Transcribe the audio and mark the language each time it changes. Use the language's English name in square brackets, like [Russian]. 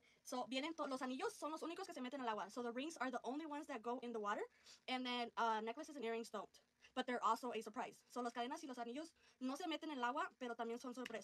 [Spanish] So vienen los anillos son los únicos que se meten al agua. [English] So the rings are the only ones that go in the water. And then necklaces and earrings don't. But they're also a surprise. [Spanish] So las cadenas y los anillos no se meten en el agua, pero también son sorpresas.